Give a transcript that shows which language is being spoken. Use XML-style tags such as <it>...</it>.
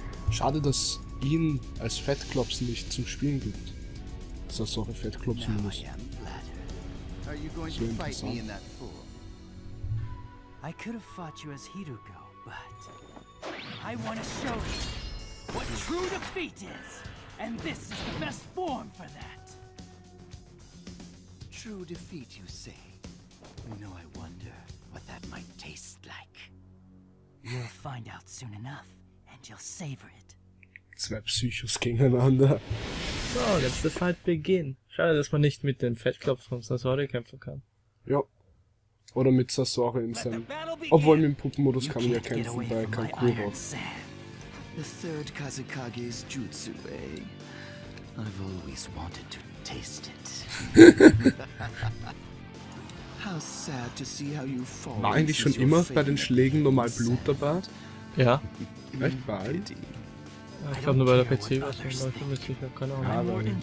<de>Schade, dass ihn als Fat Clops nicht zum Spielen gibt. Ist das so ein Fat Clops Minus?</de> <en>Now I am flattered. Are you going to fight me in that form? I could have fought you as Hiruko, but I want to show you what true defeat is, and this is the best form for that. True defeat, you say? No, I wonder what that might taste like. You'll find out soon enough, and you'll savor it.</en> <de>Zwei Psychos gegeneinander.</de> <en>So, let's the fight begin.</en> <de>Schade, dass man nicht mit dem Fettklopf von Sasori kämpfen kann. Ja. Oder mit Sasori in seinem... Obwohl, mit dem Puppenmodus kann man ja kämpfen bei Kankuro.</de> <en>The third Kazekage's jutsu, eh? I've always wanted to taste it. How sad to see how you fall.</en> <de>War eigentlich schon immer bei den Schlägen normal Blut dabei? Ja. Vielleicht bei allen? Ja, ich glaube nur bei der PC-Version, aber ich bin mir sicher, keine Ahnung.</de>